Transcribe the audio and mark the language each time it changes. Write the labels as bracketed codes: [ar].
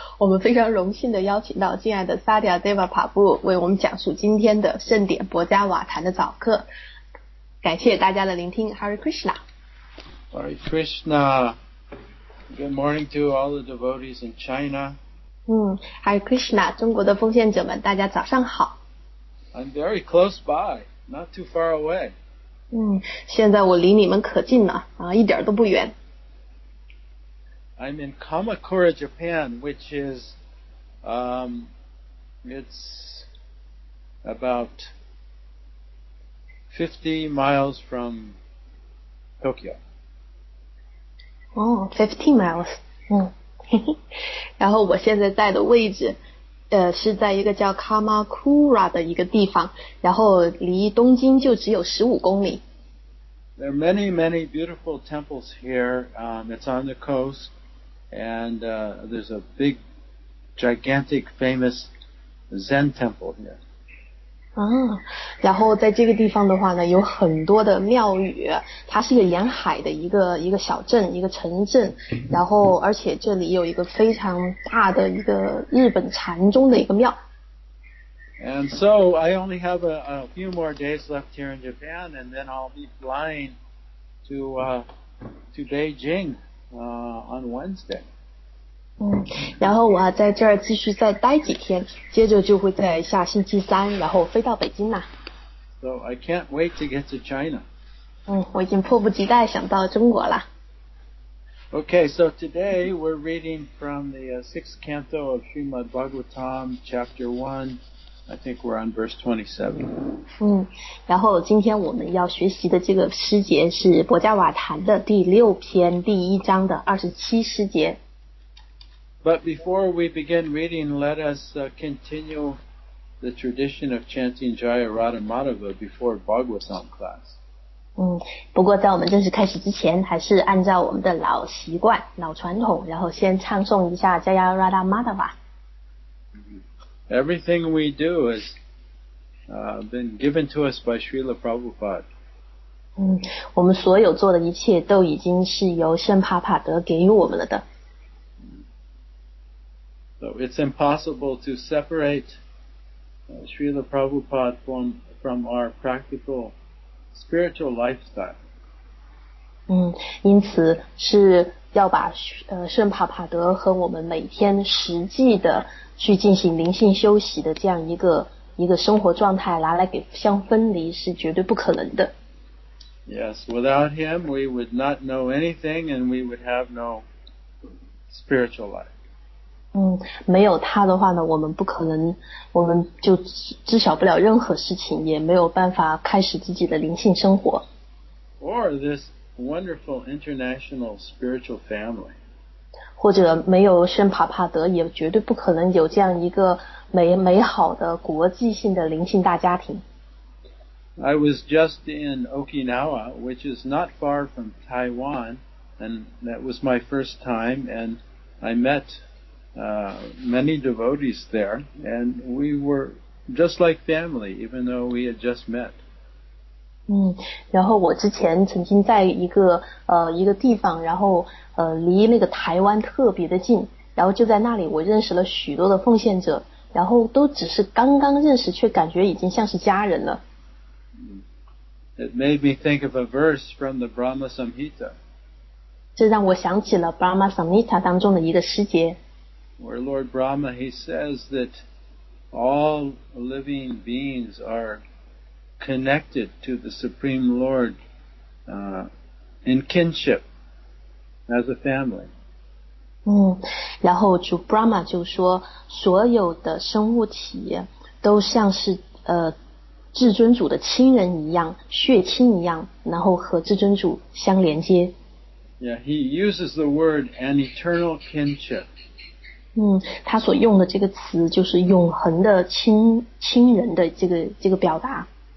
[zh] 我们非常荣幸的邀请到敬爱的萨迪亚·德瓦帕布为我们讲述今天的盛典博加瓦坛的早课。感谢大家的聆听 ，Hare Krishna。 [en] Hare Krishna。 Good morning to all the devotees in China。 [zh] Hare Krishna， 中国的奉献者们，大家早上好。 [en] I'm very close by, not too far away. [zh] 现在我离你们可近了，一点都不远。 [en] I'm in Kamakura, Japan, which is, it's about 50 miles from Tokyo. 15 miles. [zh] 然后我现在在的位置是在一个叫 Kamakura 的一个地方，然后离东京就只有15公里。 [en] There are many, many beautiful temples here. It's on the coast, and there's a big, gigantic, famous Zen temple here. [zh] 然后在这个地方的话呢，有很多的庙宇。它是一个沿海的一个小镇，一个城镇。然后，而且这里有一个非常大的一个日本禅宗的一个庙。 [en] And so I only have a few more days left here in Japan, and then I'll be flying to Beijing on Wednesday. [zh] 然后我在这儿继续再待几天，接着就会在下星期三然后飞到北京啦。 [en] So I can't wait to get to China. [zh] 我已经迫不及待想到中国了。 [en] Okay, so today we're reading from the sixth canto of Srimad Bhagavatam, chapter 1. I think we're on verse 27. [zh] 然后今天我们要学习的这个诗节是博加瓦坛的第六篇第一章的27诗节。 [en] But before we begin reading, let us continue the tradition of chanting Jaya Radha Madhava before Bhagavatam class. [zh] 不过在我们正式开始之前，还是按照我们的老习惯、老传统，然后先唱诵一下 Jaya Radha Madhava。 [en] Everything we do has been given to us by Srila Prabhupada. [zh] 我们所有做的一切都已经是由圣帕帕德给予我们了的。 [en] So it's impossible to separate Srila Prabhupada from our practical spiritual lifestyle. [zh] 因此是要把圣帕帕德和我们每天实际的去进行灵性休息的这样一个生活状态拿来给相分离是绝对不可能的。 [en] Yes, without him we would not know anything and we would have no spiritual life. [zh] 没有他的话呢，我们不可能，我们就知晓不了任何事情，也没有办法开始自己的灵性生活。 [en] Or this wonderful international spiritual family. [zh] 或者没有圣帕帕德，也绝对不可能有这样一个美好的国际性的灵性大家庭。 [en] I was just in Okinawa, which is not far from Taiwan, and that was my first time, and I met many devotees there, and we were just like family, even though we had just met. [zh] 然后我之前曾经在一个地方，然后离那个台湾特别的近，然后就在那里我认识了许多的奉献者，然后都只是刚刚认识，却感觉已经像是家人了。 [en] It made me think of a verse from the Brahma Samhita. [zh] 这让我想起了 Brahma Samhita 当中的一个诗节。 [en] Where Lord Brahma, he says that all living beings are connected to the Supreme Lord in kinship as a family. [zh] 然后主 Brahma 就说，所有的生物体都像是至尊主的亲人一样，血亲一样，然后和至尊主相连接。 [en] Yeah, he uses the word an eternal kinship. [zh] 他所用的这个词就是永恒的亲人的这个表达。